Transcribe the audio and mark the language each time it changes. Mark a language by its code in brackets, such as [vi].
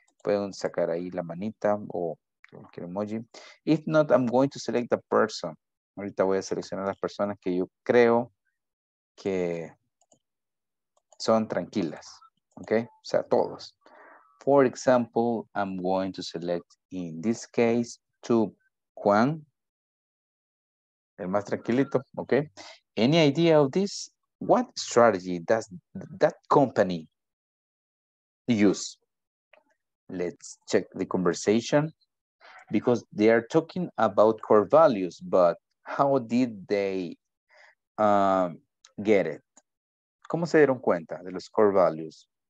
[es] Pueden sacar ahí la manita o cualquier emoji. [en] If not, I'm going to select the person. [es] Ahorita voy a seleccionar las personas que yo creo que son tranquilas. Okay. O sea, todos. [en] For example, I'm going to select in this case to Juan. [es] El más tranquilito, [en] okay. Any idea of this? What strategy does that company use? Let's check the conversation because they are talking about core values, but how did they get it? [es] ¿Cómo se dieron cuenta de los core values?